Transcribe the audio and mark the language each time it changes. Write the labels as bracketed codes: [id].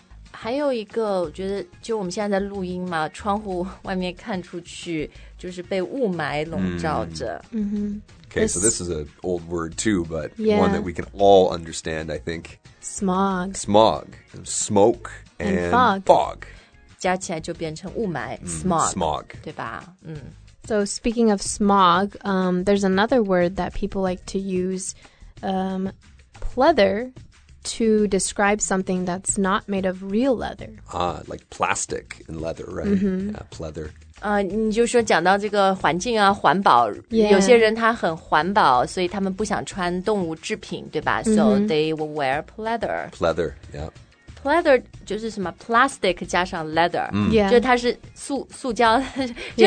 [zh] 还有一个我觉得就我们现在在录音嘛窗户外面看出去就是被雾霾笼罩着。 Mm. Mm-hmm. [en] Okay, so this is an old word too, but、 yeah. one that we can all understand, I think. Smog. Smog. Smoke and fog. Fog. [zh] 加起来就变成雾霾 smog. [en] Smog. [zh] 对吧、嗯、 [en] So speaking of smog,、there's another word that people like to use,、pleather. To describe something that's not made of real leather. Ah, like plastic and leather, right?、 Mm-hmm. Yeah, pleather. [zh] 你就说讲到这个环境啊，环保。 [en] Yeah. [zh] 有些人他很环保，所以他们不想穿动物制品，对吧、 mm-hmm. [en] ？So they will wear pleather. Pleather, yeah. [zh] Pleather 就是什么 plastic 加上 leather,、 mm. [en] yeah. [zh] 就它是塑胶就、